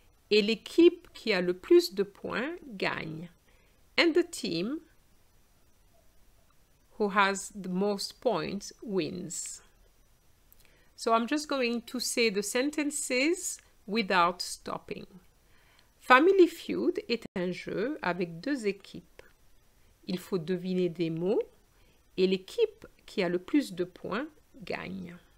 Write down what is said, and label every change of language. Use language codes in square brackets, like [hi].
[fr] Et l'équipe qui a le plus de points gagne. [en] And the team who has the most points wins. So I'm just going to say the sentences without stopping. [fr] Family Feud est un jeu avec deux équipes. Il faut deviner des mots et l'équipe qui a le plus de points gagne.